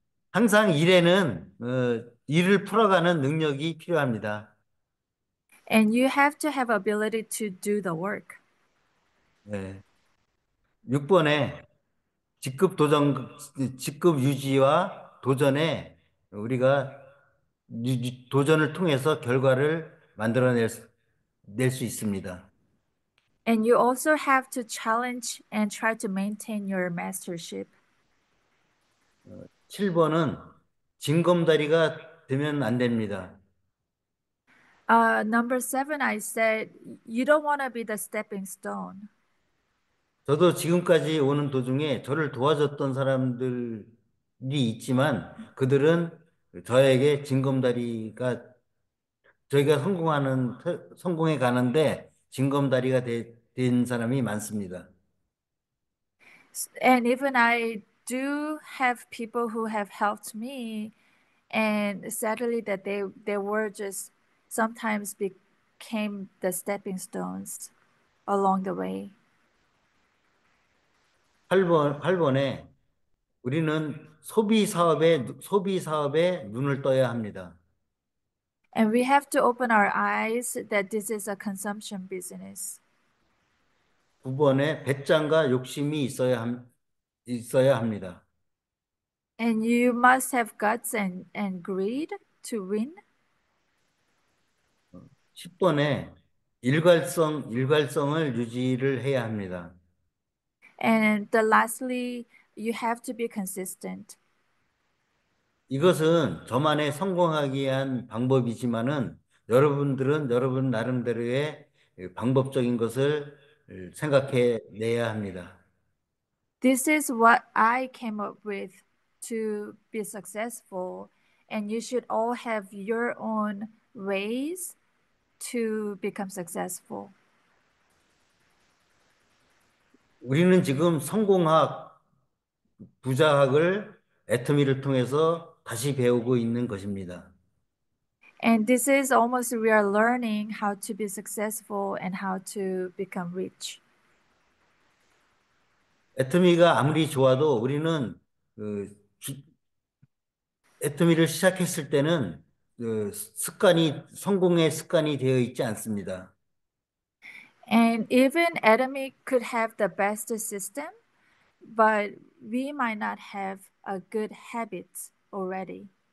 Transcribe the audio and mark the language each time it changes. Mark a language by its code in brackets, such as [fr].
[ko] 항상 일에는 일을 풀어가는 능력이 필요합니다. [en] And you have to have ability to do the work. [ko] 네. 6번에 직급 유지와 도전에 우리가 도전을 통해서 결과를 낼수 있습니다. [en] And you also have to challenge and try to maintain your mastership. [ko] 7번은 징검다리가 되면 안 됩니다. [en] Number seven, I said, you don't want to be the stepping stone. [ko] 저도 지금까지 오는 도중에 저를 도와줬던 사람들이 있지만 그들은 저에게 저희가 성공해 가는데 징검다리가 된 사람이 많습니다. [en] And even I do have people who have helped me, and sadly that they were just sometimes became the stepping stones along the way. [ko] 8번에 우리는 소비 사업에 눈을 떠야 합니다. [en] And we have to open our eyes that this is a consumption business. [ko] 두 번에 배짱과 욕심이 있어야 합니다. [en] And you must have guts and greed to win. [ko] 10번에 일관성을 유지를 해야 합니다. [en] And lastly, you have to be consistent. [ko] 이것은 저만의 성공하기 위한 방법이지만은 여러분들은 여러분 나름대로의 방법적인 것을 생각해 내야 합니다. [en] This is what I came up with to be successful, and you should all have your own ways to become successful. [ko] 우리는 지금 성공학, 부자학을 애터미를 통해서 다시 배우고 있는 것입니다. [en] And this is almost we are learning how to be successful and how to become rich. [ko] 애터미가 아무리 좋아도 우리는 애터미를 시작했을 때는 습관이 성공의 습관이 되어 있지 않습니다. [en] And even Atomy could have the best system, but we might not have a good habit already.